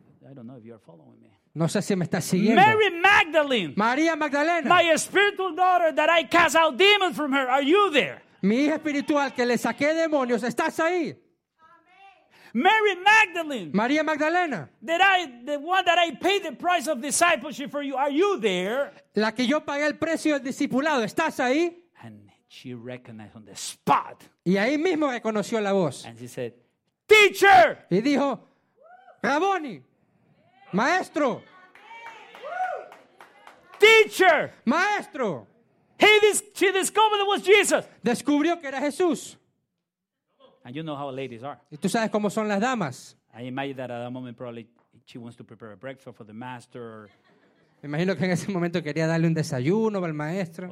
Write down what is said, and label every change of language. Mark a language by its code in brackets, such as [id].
[en] I don't know if you are following me. [es] No sé si me estás siguiendo. [en] Mary Magdalene. [es] María Magdalena. [en] My spiritual daughter, that I cast out demons from her. Are you there? [es] Mi hija espiritual que le saqué demonios, ¿estás ahí? [en] Mary Magdalene. [es] María Magdalena. [en] The one that I paid the price of discipleship for you. Are you there? [es] La que yo pagué el precio del discipulado, ¿estás ahí? [en] And she recognized on the spot. [es] Y ahí mismo reconoció la voz. [en] And she said, "Teacher." [es] Y dijo, "Rabboni." Maestro. [en] Teacher. [es] Maestro. [en] She discovered it was Jesus. [es] Descubrió que era Jesús. [en] And you know how ladies are. [es] Y tú sabes cómo son las damas. [en] I imagine that at that moment probably she wants to prepare a breakfast for the master. [es] Me imagino que en ese momento quería darle un desayuno al maestro.